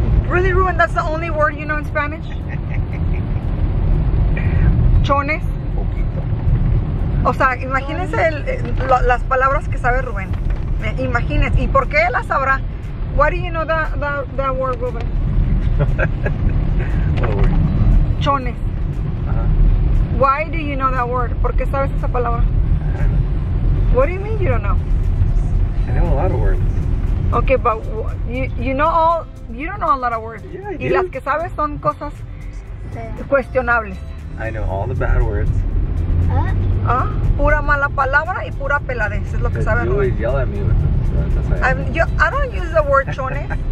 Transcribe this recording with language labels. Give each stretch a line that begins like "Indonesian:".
English: Really, Ruben, that's the only word you know in Spanish?
Spanish: Chones. Poquito. O sea, imagínense las palabras que sabe Ruben. Imagínense. ¿Y por qué él las sabrá?
English: What do you know that word, Ruben? Chones. Uh-huh. Why do you know that word?
Spanish: ¿Por qué sabes esa palabra?
English: What do you mean you don't know? I know a lot of words. Okay, but you don't know a lot of words. Yeah, I do.
Spanish: Y las que sabes son cosas cuestionables.
English: I know all the bad words.
Spanish: Pura mala palabra y pura peladez, es lo que sabe.
English: You always yell at me with them, so that's I don't use the word chones.